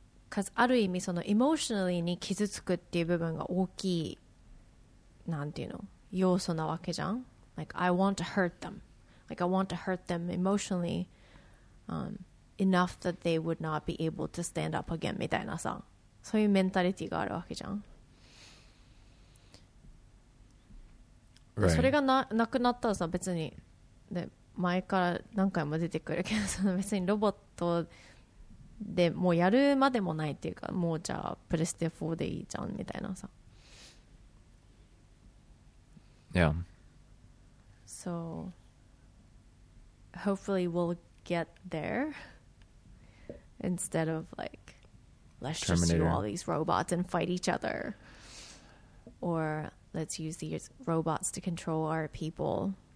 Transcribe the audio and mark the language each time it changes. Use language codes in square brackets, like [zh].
[en] Because [ja] ある意味 その [en] emotionally [ja] に 傷つくっていう部分が大きい なんていうの 要素なわけじゃん. [en] Like I want to hurt them. Like I want to hurt them emotionally enough that they would not be able to stand up again [ja] みたいなさ. そういうメンタリティがあるわけじゃん. [en] Right. [ja] それがなくなったらさ 別に で 前から何回も出てくるけど 別にロボット で、 もうやるまでもないっていうか もうじゃあ プレステ 4 でいいじゃん みたいなさ. [en] Yeah. So hopefully we'll get there instead of like let's Terminator. Just do all these robots and fight each other, or let's use these robots to control our people.